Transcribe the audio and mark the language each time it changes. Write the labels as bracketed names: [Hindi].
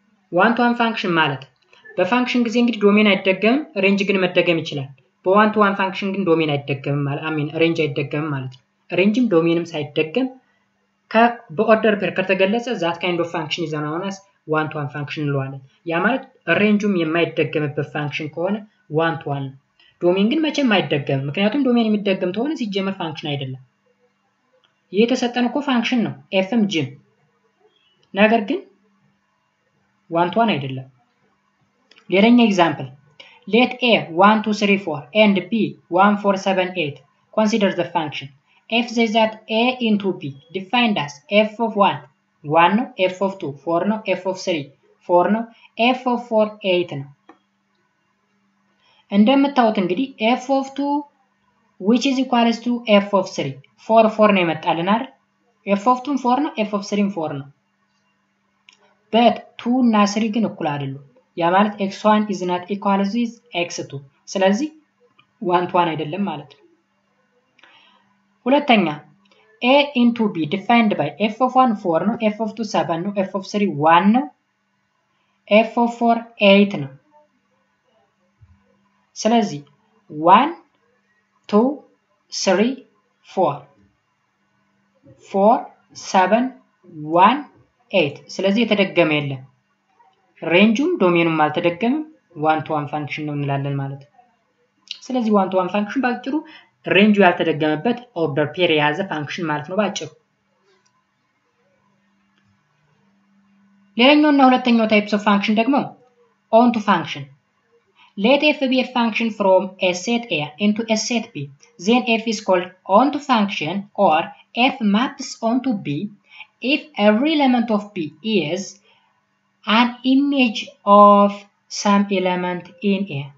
[Amharic] 1 to 1 function malat. Be function gize ingid domain aitdegem, range gin meddegem ichilal. በone to one function ግን domain አይደገም ማለት አሚን range አይደገም ማለት range domainም ሳይደገም ከበorder pair ከተገለጸ [English] that kind of function is known as one to one function [Amharic] እንለዋለን. ያ ማለት range-ም የማይደገምበት function ከሆነ one to one domain ግን መቼም አይደገም ምክንያቱም domain የሚደገም ተሆነ ሲጀመር function አይደለም. ይሄ ተሰጠን እኮ function ነው fm g ነገር ግን one to one አይደለም. [English] ሌላኛ example let a 1 2 3 4 and b 1 4 7 8 consider the function f says that a into b defined as f of 1 1 no, f of 2 4 no, f of 3 4 no, f of 4 8 no. and then [Amharic] እንደምታውቁት እንግዲህ [English] f of 2 which is equal to f of 3 4 4 [Amharic] ነው የመጣልን አይደል [English] f of 2 4 no, f of 3 4 no. [Amharic] but 2 እና 3 ግን እኩል አይደሉም. ያ ማለት [English] x1 is not equal to x2 [Amharic] ስለዚህ 1 to 1 አይደለም ማለት ነው. [English] ሁለተኛ a into b defined by f of 1 4 ነው f of 2 7 ነው f of 3 1 ነው f of 4 8 ነው. [Amharic] ስለዚህ 1 2 3 4 4 7 1 8 ስለዚህ የተደገመ የለም. ሬንጁም ዶሜኑም አልተደገም one to one function ነው እንላለን ማለት. ስለዚህ one to one function ባጭሩ ሬንጁ ያልተደገመበት order pair የያዘ function ማለት ነው ባጭሩ. ሌላኛው እና ሁለተኛው [English] types of function [Amharic] ደግሞ on to function. [English] let f be a function from a set a into a set b then f is called on to function or f maps onto b if every element of b is an image of some element in A.